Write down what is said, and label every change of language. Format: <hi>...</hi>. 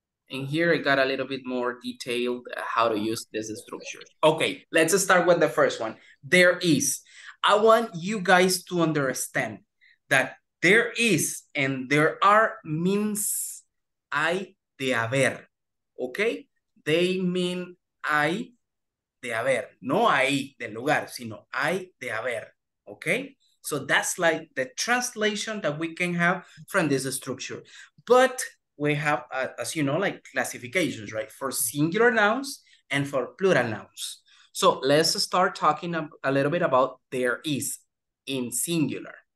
<en>And here it got a little bit more detailed how to use this structure. Okay, let's start with the first one. There is. I want you guys to understand that there is and there are means</en> <es>hay de haber.</es> <en>Okay? They mean</en> <es>hay de haber. No hay del lugar, sino hay de haber.</es> <en>Okay, so that's like the translation that we can have from this structure. But we have, as you know, like classifications, right? For singular nouns and for plural nouns. So let's start talking a little bit about there is in singular.</en>